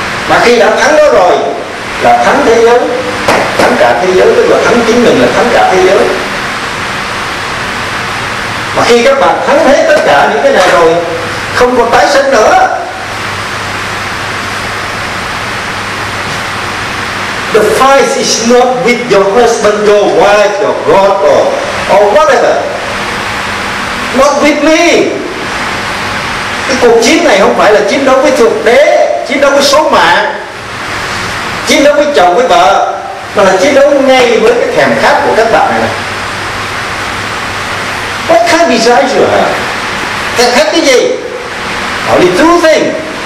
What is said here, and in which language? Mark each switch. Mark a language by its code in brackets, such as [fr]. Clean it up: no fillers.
[vi] Mà khi đã thắng đó rồi, là thắng thế giới, thắng cả thế giới, tức là thắng chính mình, là thắng cả thế giới. Mà khi các bạn thắng hết tất cả những cái này rồi, không còn tái sinh nữa. [en] The fight is not with your husband, your wife, your God, or whatever. Not with me. [vi] Cái cuộc chiến này không phải là chiến đấu với thượng đế, chiến đấu với số mạng, chiến đấu với chồng, với vợ, mà là chiến đấu ngay với cái thèm khát của các bạn này. [en] What kind of desire you have? [vi] Thèm khát cái gì? [en] Only 2 things.